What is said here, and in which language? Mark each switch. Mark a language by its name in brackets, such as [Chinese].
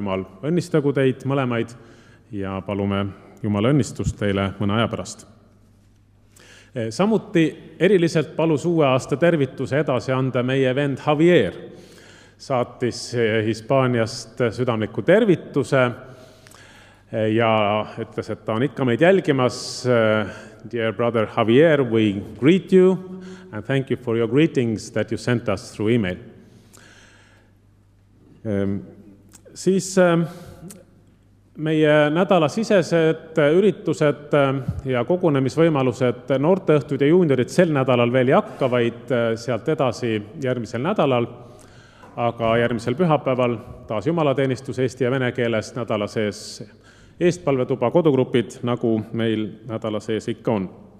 [Estonian] Jumal õnnistagu teid mõlemaid ja palume Jumal õnnistust teile mõne aja pärast. Samuti eriliselt palus uue aasta tervituse edasi anda meie vend Javier. Saatis Hispaaniast südamliku tervituse ja ütles, et ta on ikka meid jälgimas. [English] Dear brother Javier, we greet you and thank you for your greetings that you sent us through email. [Estonian] Siis meie nädala sisesed üritused ja kogunemisvõimalused noorteõhtud ja juuniorid sel nädalal veel ei hakka, vaid sealt edasi järgmisel nädalal. Aga järgmisel pühapäeval taas jumalateenistus eesti ja vene keeles nädala sees eestpalvetuba kodugrupid, nagu meil nädala sees ikka on.